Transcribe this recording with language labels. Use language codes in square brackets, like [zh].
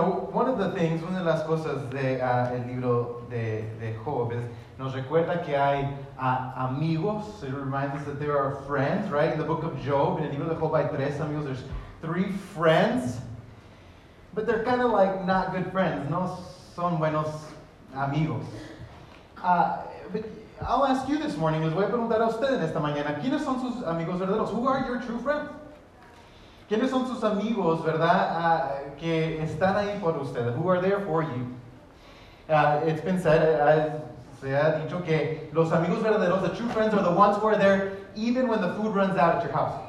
[en] One of [es] las cosas del libro de Job es, nos recuerda que hay amigos. [en] It reminds us that there are friends, right? In the book of Job, [es] en el libro de Job hay tres amigos. [en] There's three friends, but they're kind of like not good friends. [es] No son buenos amigos. [en] I'll ask you this morning, [es] les voy a preguntar a ustedes esta mañana, ¿quiénes son sus amigos verdaderos? [en] Who are your true friends? [es] ¿Quiénes son sus amigos, verdad, que están ahí por ustedes? [en] Who are there for you? It's been said, [es] se ha dicho que los amigos verdaderos, [en] the true friends, are the ones who are there even when the food runs out at your house.